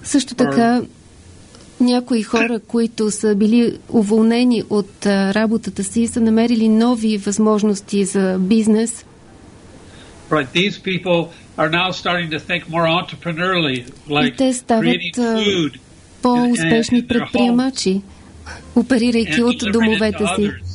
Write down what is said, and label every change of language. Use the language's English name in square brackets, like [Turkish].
[Bulgarian] също така някои хора, които са били уволнени от работата си, са намерили нови възможности за бизнес. [English] Right, these people are now starting to think more entrepreneurially, like [Bulgarian] те стават по-успешни предприемачи, оперирайки от домовете си